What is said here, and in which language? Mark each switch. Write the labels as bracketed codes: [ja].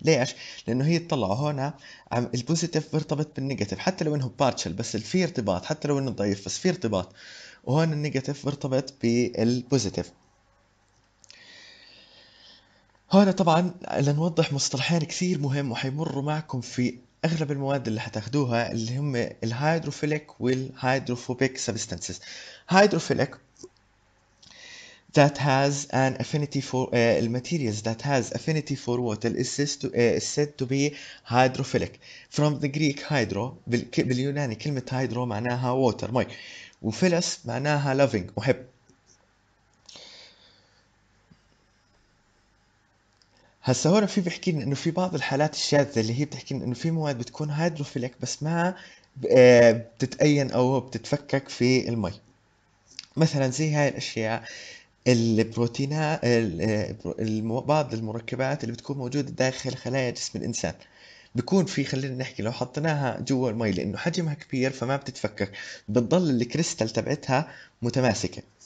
[ar] ليش؟ لأنه هي تطلع هون البوزيتيف بيرتبط بالنيجاتيف حتى لو إنه بارتشل، بس في ارتباط حتى لو إنه ضعيف بس في ارتباط، وهون النيجاتيف بيرتبط بالبوزيتيف. هون طبعا لنوضح مصطلحين كثير مهم وحيمروا معكم في اغلب المواد اللي حتاخدوها، اللي هم الهايدروفيليك والهايدروفوبيك سبستنسز. [en] Hydrophilic that has an affinity for materials that has affinity for water is said to be hydrophilic from the Greek hydro. [ar] باليوناني كلمة hydro معناها water مي، وphilos معناها loving محب. هسا هون في بيحكي لنا انه في بعض الحالات الشاذة اللي هي بتحكي لنا انه في مواد بتكون هيدروفيلك بس ما بتتأين او بتتفكك في المي، مثلا زي هاي الاشياء البروتينات، بعض المركبات اللي بتكون موجودة داخل خلايا جسم الانسان بيكون في، خلينا نحكي لو حطيناها جوا المي لانه حجمها كبير فما بتتفكك، بتضل الكريستال تبعتها متماسكة.